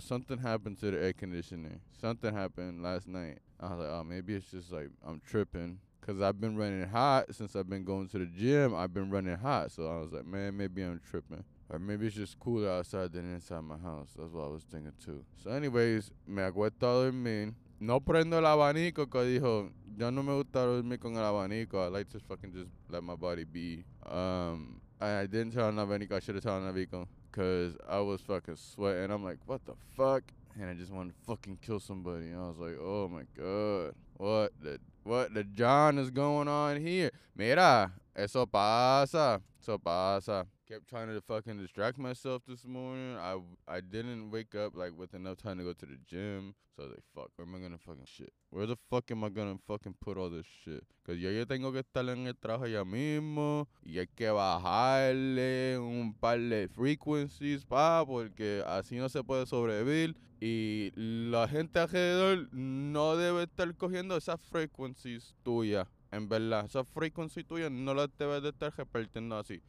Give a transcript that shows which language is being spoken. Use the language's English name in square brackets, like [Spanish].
[English] Something happened to the air conditioner. Something happened last night. I was like, oh, maybe it's just, like, I'm tripping. Because I've been running hot since I've been going to the gym. I've been running hot. So I was like, man, maybe I'm tripping. Or maybe it's just cooler outside than inside my house. That's what I was thinking too. So anyways, [Spanish] me acuesto a dormir. No prendo el abanico, que dijo, yo no me gusta dormir con el abanico. [English] I like to fucking just let my body be. I didn't turn on the abanico. I should have turned on the abanico. Because I was fucking sweating. I'm like, what the fuck? And I just want to fucking kill somebody. And I was like, oh my God. What the John is going on here? [Spanish] Mira, eso pasa. Eso pasa. [English] kept trying to fucking distract myself this morning. I didn't wake up, like, with enough time to go to the gym. So I was like, fuck, where am I going to fucking shit? Where the fuck am I going to fucking put all this shit? [Spanish] Because yo tengo que estar en el trabajo ya mismo. Y hay que bajarle un par de frequencies, pa, porque así no se puede sobrevivir. Y la gente alrededor no debe estar cogiendo esas frequencies tuyas. En verdad, esa frequency tuya no la debes de estar repartiendo así.